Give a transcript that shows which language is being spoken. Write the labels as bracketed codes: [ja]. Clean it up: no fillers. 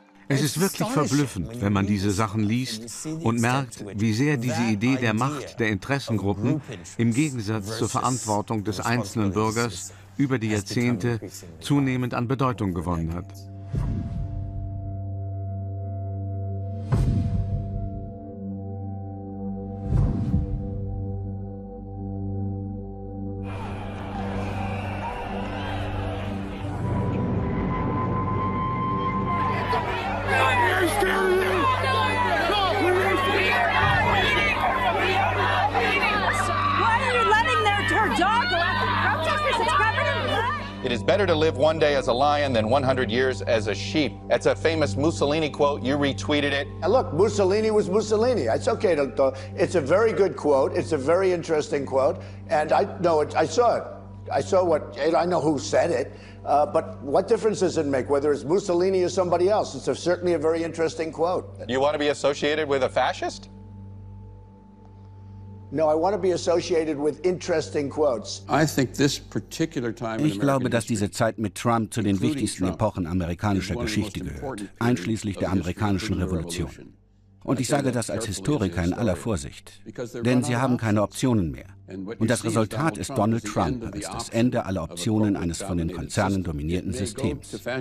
[de] Es ist wirklich verblüffend, wenn man diese Sachen liest und merkt, wie sehr diese Idee der Macht der Interessengruppen im Gegensatz zur Verantwortung des einzelnen Bürgers über die Jahrzehnte zunehmend an Bedeutung gewonnen hat. [en] Why are you letting their dog go after the protesters? It's covered in blood. It is better to live one day as a lion than 100 years as a sheep. That's a famous Mussolini quote. You retweeted it. Now look, Mussolini was Mussolini. It's okay to talk. It's a very good quote. It's a very interesting quote. And I know it. I saw it. I saw what, and I know who said it. But what difference does it make, whether it's Mussolini or somebody else? It's certainly a very interesting quote. You want to be associated with a fascist? No, I want to be associated with interesting quotes. I think this particular time in American [de] Ich glaube, dass diese Zeit mit Trump zu den wichtigsten Epochen amerikanischer Geschichte gehört, einschließlich der amerikanischen Revolution. Und ich sage das als Historiker in aller Vorsicht, denn sie haben keine Optionen mehr. Und das Resultat ist Donald Trump als das Ende aller Optionen eines von den Konzernen dominierten Systems.